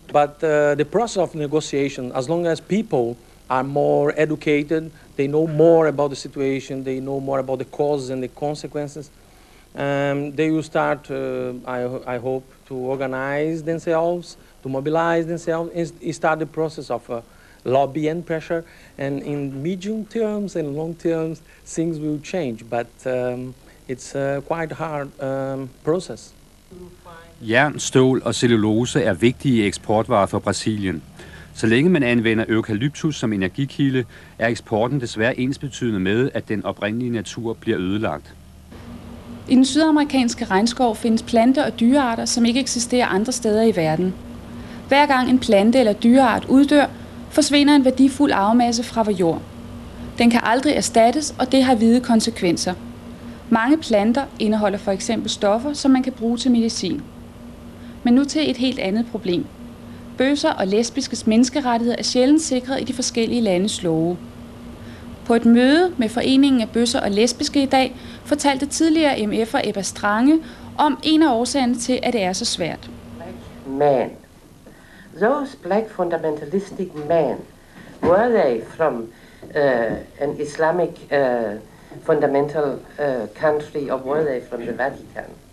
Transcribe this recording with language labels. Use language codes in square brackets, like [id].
[en] But the process of negotiation, as long as people are more educated, they know more about the situation, they know more about the causes and the consequences, they will start, I hope, to organize themselves, to mobilize themselves, and start the process of lobby and pressure. And in medium terms and long terms, things will change. But it's a quite hard process. [da] Jern, stål og cellulose er vigtige eksportvarer for Brasilien. Så længe man anvender eukalyptus som energikilde, er eksporten desværre ensbetydende med, at den oprindelige natur bliver ødelagt. I den sydamerikanske regnskov findes plante- og dyrearter, som ikke eksisterer andre steder i verden. Hver gang en plante eller dyreart uddør, forsvinder en værdifuld arvemasse fra vores jord. Den kan aldrig erstattes, og det har vide konsekvenser. Mange planter indeholder for eksempel stoffer, som man kan bruge til medicin. Men nu til et helt andet problem. Bøsser og lesbiskes menneskerettigheder er sjældent sikret i de forskellige landes love. På et møde med foreningen af bøsser og lesbiske i dag, fortalte tidligere MF'er Ebba Strange om en af årsagerne til, at det er så svært. [en] Black men. Those black fundamentalistic men, were they from an Islamic fundamental country or were they from the Vatican?